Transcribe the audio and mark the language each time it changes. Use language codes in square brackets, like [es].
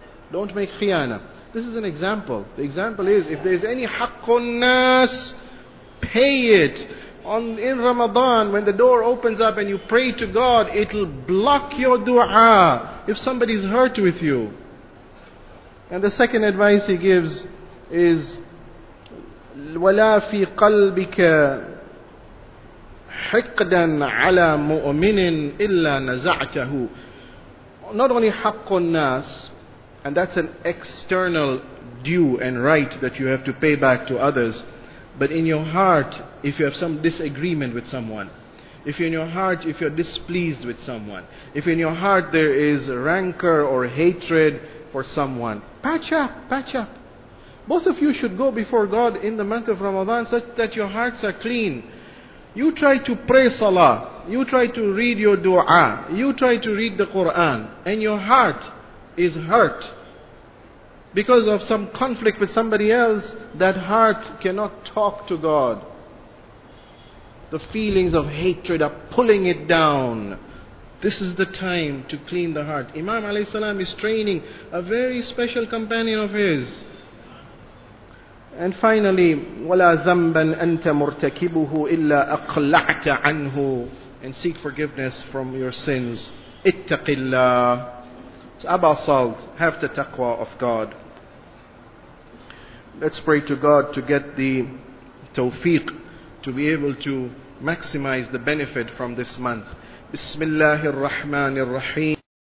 [en] Don't make khiyana. This is an example. The example is, if there's any haqqun nas, pay it. In Ramadan, when the door opens up and you pray to God, it'll block your dua if somebody's hurt with you. And the second advice he gives is, [ar] وَلَا فِي قَلْبِكَ حِقْدًا عَلَى مُؤْمِنٍ إِلَّا نَزَعْتَهُ. [en] Not only haqqun nas, and that's an external due and right that you have to pay back to others. But in your heart, if you have some disagreement with someone, if you're displeased with someone, if in your heart there is rancor or hatred for someone, patch up. Both of you should go before God in the month of Ramadan such that your hearts are clean. You try to pray salah, you try to read your dua, you try to read the Quran, and your heart is hurt because of some conflict with somebody else, that heart cannot talk to God. The feelings of hatred are pulling it down. This is the time to clean the heart. Imam alayhi salam is training a very special companion of his. And finally, [ar] وَلَا ذَنْبًا أَنْتَ مُرْتَكِبُهُ إِلَّا أَقْلَعْتَ عَنْهُ. [en] And seek forgiveness from your sins. [ar] اتَّقِ اللَّهِ. [en] Abba Salt, have the taqwa of God. Let's pray to God to get the tawfiq to be able to maximize the benefit from this month. [ar] Bismillahir Rahmanir Rahim.